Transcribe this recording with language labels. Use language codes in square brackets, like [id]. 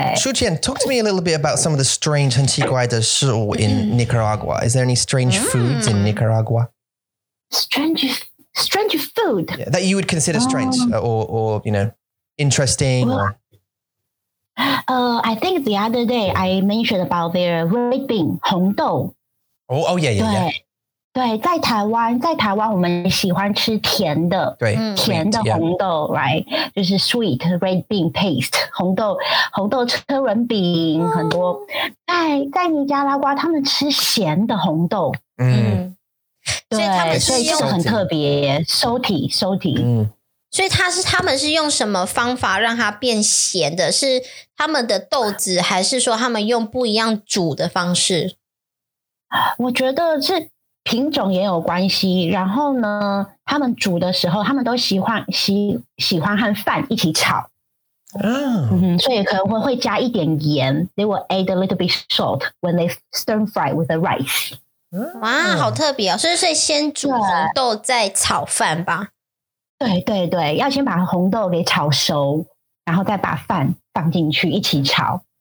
[en] Shu Qian, talk to me a little bit about some of the strange 很奇怪的食物 in Nicaragua Is there any strange foods in Nicaragua? Strange food? Yeah, that you would consider strange or you know, interesting or... I think the other day I mentioned about their red bean, 红豆 Oh, yeah. [zh] 对，在台湾我们喜欢吃甜的，对，甜的红豆 ， right？就是 sweet red bean paste, 红豆车轮饼很多。在尼加拉瓜，他们吃咸的红豆，对，所以这个很特别 ，salty。所以他们是用什么方法让它变咸的？是他们的豆子，还是说他们用不一样煮的方式？我觉得是品种也有关系。然后呢，他们煮的时候，他们都喜欢和饭一起炒。 [en] Oh. [zh] 嗯，所以可能会加一点盐。 [en] They will add a little bit salt when they stir fry with the rice. [zh] 哇，好特别哦！所以先煮红豆再炒饭吧。对，要先把红豆给炒熟，然后再把饭放进去一起炒。